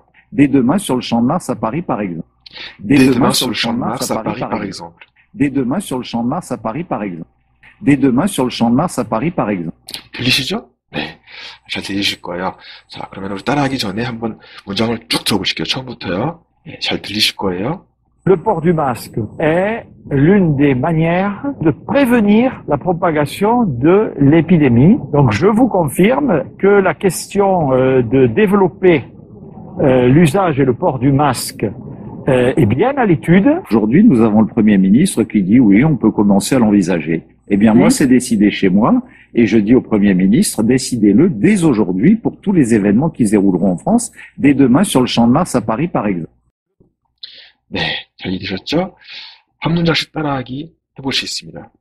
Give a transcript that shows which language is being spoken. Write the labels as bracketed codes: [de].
[fr] Dès demain sur le champ de Mars à Paris, par exemple. Dès dès demain demain sur sur le le champ champ de de Mars à à Paris, par par exemple. exemple. Dès demain sur le champ de Mars à Paris, par exemple. Dès demain sur le champ de Mars à Paris, par exemple. [ko] 들리시죠? 네, 잘 들리실 거예요. 자, 그러면 우리 따라하기 전에 한번 문장을 쭉 들어보실게요. 처음부터요. 네, 잘 들리실 거예요. Le port du masque est l'une des manières de prévenir la propagation de l'épidémie. Donc, je vous confirme que la question de développer l'usage et le port du masque est bien à l'étude. Aujourd'hui, nous avons le Premier ministre qui dit oui, on peut commencer à l'envisager. Eh bien, moi, Oui. c'est décidé chez moi et je dis au Premier ministre, décidez-le dès aujourd'hui pour tous les événements qui se dérouleront en France, dès demain sur le champ de Mars à Paris, par exemple. 네, 잘 이해되셨죠? 한 문장씩 따라하기 해보시겠습니다.